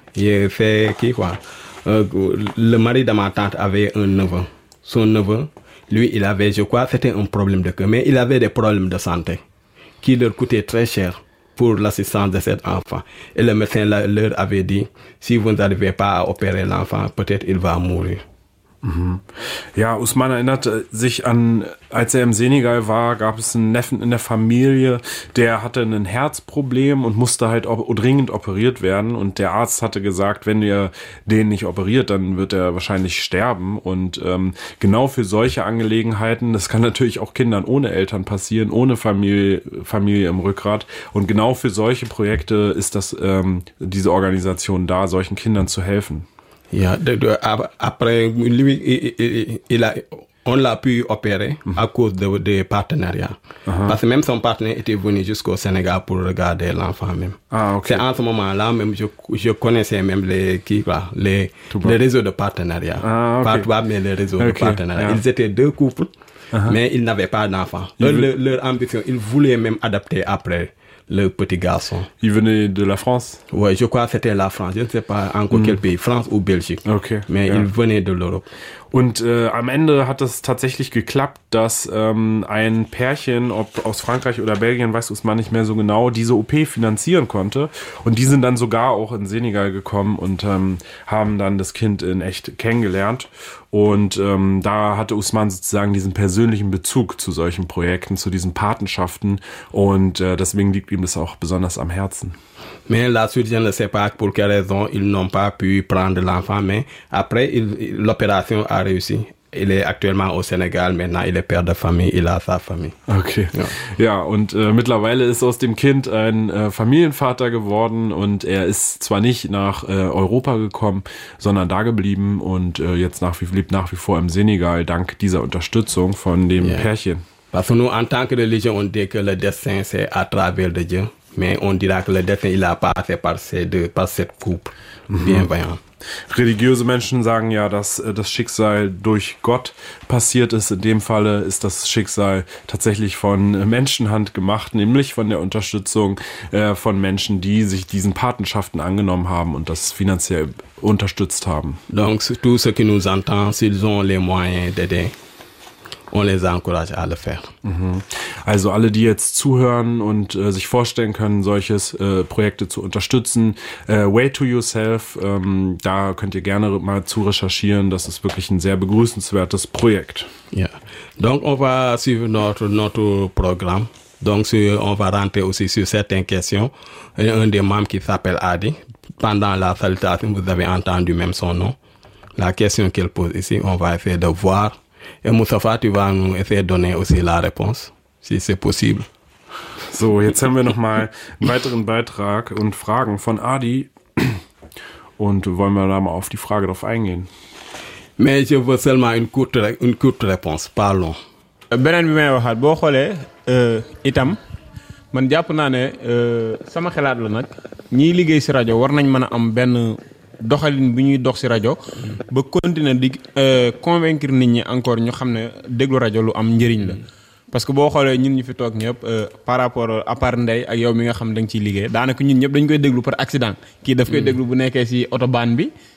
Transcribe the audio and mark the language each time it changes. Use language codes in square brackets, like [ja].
[fr] J'ai fait qui quoi? Le mari de ma tante avait un neveu. Son neveu, lui, il avait, je crois, c'était un problème de cœur, mais il avait des problèmes de santé qui leur coûtaient très cher pour l'assistance de cet enfant. Et le médecin leur avait dit, si vous n'arrivez pas à opérer l'enfant, peut-être il va mourir. [de] Ja, Usman erinnert sich an, als er im Senegal war, gab es einen Neffen in der Familie, der hatte ein Herzproblem und musste halt dringend operiert werden. Und der Arzt hatte gesagt, wenn ihr den nicht operiert, dann wird er wahrscheinlich sterben. Und genau für solche Angelegenheiten, das kann natürlich auch Kindern ohne Eltern passieren, ohne Familie im Rückgrat. Und genau für solche Projekte ist das diese Organisation da, solchen Kindern zu helfen. [fr] Ja, après lui, on l'a pu opérer à cause de partenariat. Uh-huh. Parce que même son partenaire était venu jusqu'au Sénégal pour regarder l'enfant même. Ah, okay. C'est en ce moment-là même je connaissais même les réseaux de partenariat. Ah, okay. Pas toi, mais les réseaux okay. de partenariat. Yeah. Ils étaient deux couples, uh-huh. mais ils n'avaient pas d'enfant. Leur ambition, ils voulaient même adapter après. Le petit garçon. Il venait de la France? Oui, je crois que c'était la France. Je ne sais pas encore quel pays, France ou Belgique. Okay. Mais il venait de l'Europe. [de] Und am Ende hat es tatsächlich geklappt, dass ein Pärchen, ob aus Frankreich oder Belgien, weiß es man nicht mehr so genau, diese OP finanzieren konnte. Und die sind dann sogar auch in Senegal gekommen und haben dann das Kind in echt kennengelernt. Und da hatte Usman sozusagen diesen persönlichen Bezug zu solchen Projekten, zu diesen Patenschaften. Und deswegen liegt ihm das auch besonders am Herzen. [fr] Mais la suite, je ne sais pas pour quelle raison ils n'ont pas pu prendre l'enfant, mais après, l'opération a réussi. Il est actuellement au Sénégal, maintenant il est père de famille, il a sa famille. Okay. [de] Ja, ja und mittlerweile ist aus dem Kind ein Familienvater geworden und er ist zwar nicht nach Europa gekommen, sondern da geblieben und jetzt lebt nach wie vor im Senegal dank dieser Unterstützung von dem Pärchen. [fr] Parce que nous, en tant que religion, on dit que le destin, c'est à travers de Dieu. Mais on dira que le destin, il a passé par ces deux, par cette coupe. Bienveillant. [de] Religiöse Menschen sagen ja, dass das Schicksal durch Gott passiert ist. In dem Falle ist das Schicksal tatsächlich von Menschenhand gemacht, nämlich von der Unterstützung von Menschen, die sich diesen Patenschaften angenommen haben und das finanziell unterstützt haben. [fr] Donc, tous ceux qui nous entendent, s'ils ont les moyens d'aider. On les encourage à le faire. [de] Also alle, die jetzt zuhören und sich vorstellen können, solches Projekte zu unterstützen, Way to Yourself, da könnt ihr gerne mal zu recherchieren. Das ist wirklich ein sehr begrüßenswertes Projekt. [fr] Ja, donc on va suivre notre programme. Donc on va rentrer aussi sur certaines questions. Un des membres qui s'appelle Adi, pendant la salutation, vous avez entendu même son nom. La question qu'il pose ici, on va essayer de voir. Et Moustapha, tu vas nous essayer de donner aussi la réponse, si c'est possible. [de] So, jetzt haben wir nochmal einen weiteren Beitrag und Fragen von Adi. Und wollen wir da mal auf die Frage drauf eingehen. [fr] Mais je veux seulement une courte réponse. Parlons. [wo] Benen bimé wahat, bo khole, itam, man diap nane, sama khelad la nak, ni ligé si radio, war nan man am ben... doxalin biñuy dox ci radio ba continuer di convaincre nit ñi encore ñu xamne déglu radio lu am ñëriñ la parce que bo xolé ñun ñu fi tok ñëpp par rapport à part ndey ak yow mi nga xam dang ci liggé danaka ñun ñëpp dañ koy déglu par accident ki daf koy déglu bu nekké ci autobahn bi